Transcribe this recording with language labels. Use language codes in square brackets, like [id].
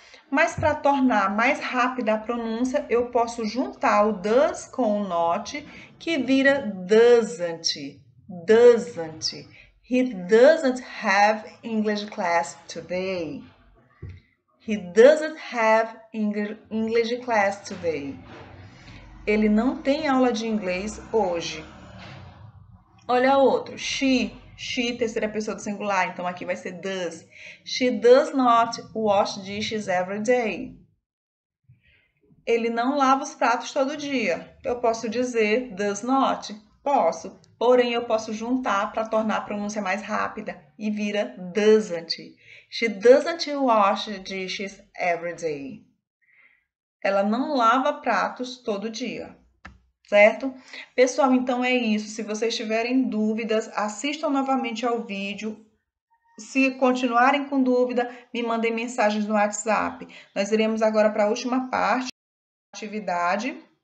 [pt] Mas para tornar mais rápida a pronúncia, eu posso juntar o does com o not, que vira doesn't. [en] Doesn't. He doesn't have English class today. He doesn't have English class today. [pt] Ele não tem aula de inglês hoje. Olha outro. She She, terceira pessoa do singular, então aqui vai ser does. [en] She does not wash dishes every day. [pt] Ele não lava os pratos todo dia. Eu posso dizer does not? Posso. Porém, eu posso juntar para tornar a pronúncia mais rápida e vira doesn't. [en] She doesn't wash dishes every day. [pt] Ela não lava pratos todo dia. Certo? Pessoal, então é isso. Se vocês tiverem dúvidas, assistam novamente ao vídeo. Se continuarem com dúvida, me mandem mensagens no WhatsApp. Nós iremos agora para a última parte da atividade.